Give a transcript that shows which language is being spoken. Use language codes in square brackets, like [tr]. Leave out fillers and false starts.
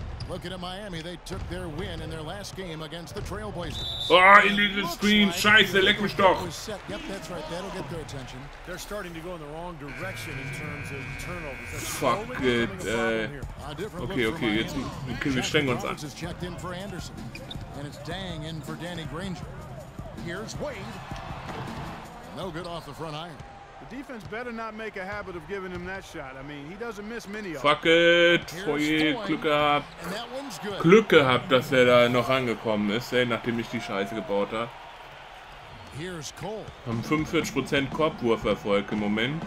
[en] Looking at Miami, they took their win in their last game against the Trailblazers. Oh, in the screen. [de] Scheiße, leck mich doch. [en] Yep, that's right. That'll get their attention. They're starting to go in the wrong direction in terms of turnovers. Fuck it. [de] Okay, jetzt können wir streng uns an. [en] Is checked in for Anderson. And it's Dang in for Danny Granger. Here's Wade. No good off the front iron. The defense better not make a habit of giving him that shot. I mean, he doesn't miss many of them. Fuck it. [de] Foyer, Glück gehabt. Glück gehabt, dass er da noch angekommen ist, ey, nachdem ich die Scheiße gebaut habe. [en] Here's Cole. [de] Haben 45% Korbwurferfolg im Moment.